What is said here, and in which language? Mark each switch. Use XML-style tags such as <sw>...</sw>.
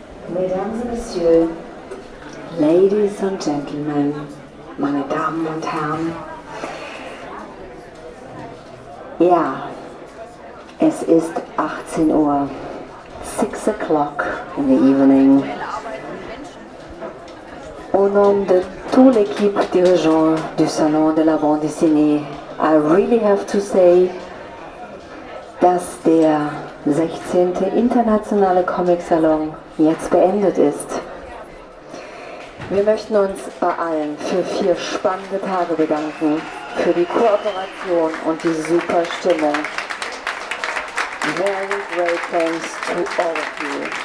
<fr>Mesdames et Messieurs,</fr> <en>Ladies and Gentlemen,</en> <de>meine Damen und Herren. Ja, es ist 18 Uhr,</de> <en>6 o'clock in the evening.</en> <fr>Au nom de toute l'équipe dirigeante du Salon de la Bande dessinée,</fr> <en>I really have to say,</en> <de>dass der 16. internationale Comic-Salon jetzt beendet ist. Wir möchten uns bei allen für vier spannende Tage bedanken, für die Kooperation und die super Stimmung.</de> <en>Very great thanks to all of you.</en>